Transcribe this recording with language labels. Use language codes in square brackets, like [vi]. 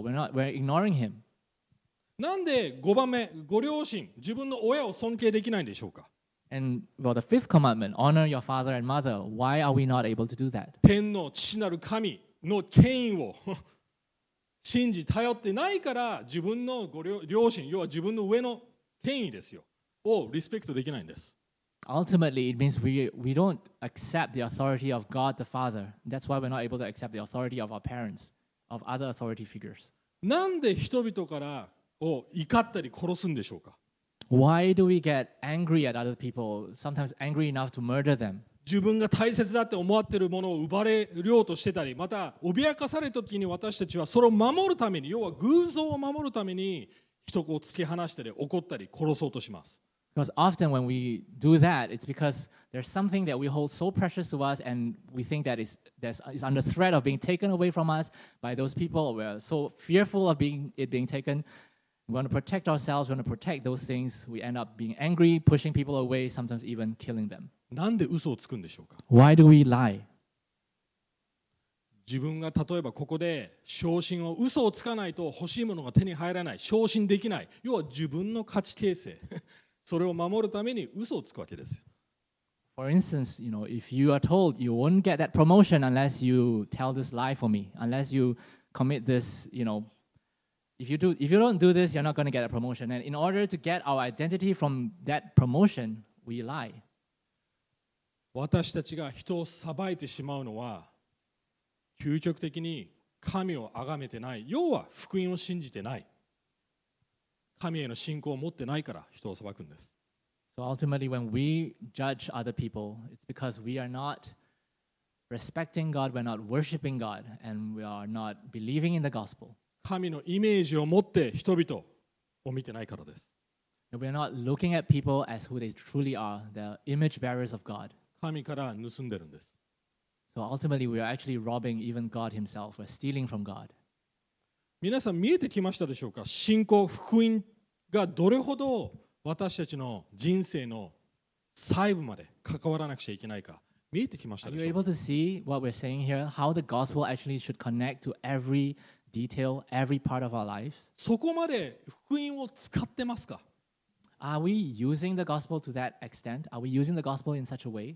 [en] We're ignoring Him. [ja] なんで5番目、ご両親、自分の親を尊敬できないんでしょうか? [en] And well, the fifth commandment, honor your father and mother. Why are we not able to do that? [ja] 天の父なる神の権威を信じ頼ってないから自分のご両親、要は自分の上の権威ですよ、をリスペクトできないんです。 [en] Ultimately, it means we don't accept the authority of God the Father. That's why we're not able to accept the authority of our parents, of other authority figures. [ja] なんで人々からを怒ったり殺すんでしょうか? [en] Why do we get angry at other people, sometimes angry enough to murder them? [ja] 自分が大切だって思ってるものを奪われようとしてたり、また脅かされた時に私たちはそれを守るために、要は偶像を守るために人を突き放したり怒ったり殺そうとします。 [en] Because often when we do that, it's because there's something that we hold so precious to us and we think that is under threat of being taken away from us by those people. We're so fearful of it being taken. We want to protect ourselves, we want to protect those things. We end up being angry, pushing people away, sometimes even killing them. [ja] なんで嘘をつくんでしょうか? [en] Why do we lie? [ja] 自分が例えばここで昇進を嘘をつかないと欲しいものが手に入らない、昇進できない。要は自分の価値形成。それを守るために嘘をつくわけです。 [en] For instance, you know, if you are told you won't get that promotion unless you tell this lie for me, unless you commit this, you know, if you don't do this, you're not going to get a promotion. And in order to get our identity from that promotion, we lie. [ja] 私たちが人を裁いてしまうのは、究極的に神を崇めてない、要は福音を信じてない。神への信仰を持ってないから人を裁くんです。 [en] So ultimately, when we judge other people, it's because we are not respecting God, we're not worshiping God, and we are not believing in the gospel. [ja] 神のイメージを持って人々を見てないからです。 [en] We are not looking at people as who they truly are, the image bearers of God. [ja] 神から盗んでるんです。 [en] So ultimately, we are actually robbing even God himself, we're stealing from God. [ja] 皆さん見えてきましたでしょうか信仰、福音がどれほど私たちの人生の細部まで関わらなくちゃいけないか見えてきましたでしょうか [en] Are you able to see what we're saying here? How the gospel actually should connect to every detail, every part of our lives? [ja] そこまで福音を使ってますか [en] Are we using the gospel to that extent? Are we using the gospel in such a way?